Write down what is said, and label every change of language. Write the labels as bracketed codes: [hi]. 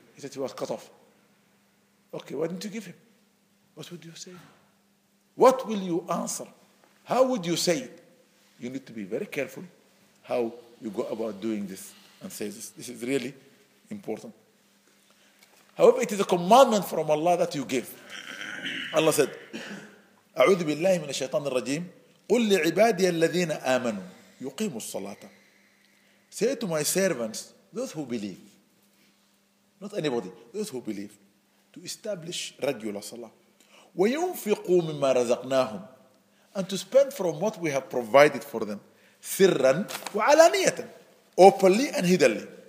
[en] He said he was cut off. Okay, why didn't you give him? What would you say? What will you answer? How would you say it? You need to be very careful how you go about doing this and say this. This is really important. However, it is a commandment from Allah that you give. Allah said, [ar] أعوذ بالله من الشيطان الرجيم قل لعبادي الذين آمنوا يقيموا الصلاة. [en] Say to my servants, those who believe, not anybody, those who believe, to establish regular salah. [ar] وينفقوا مما رزقناهم, [en] and to spend from what we have provided for them, [ar] سرا وعلانية, [en] openly and hiddenly.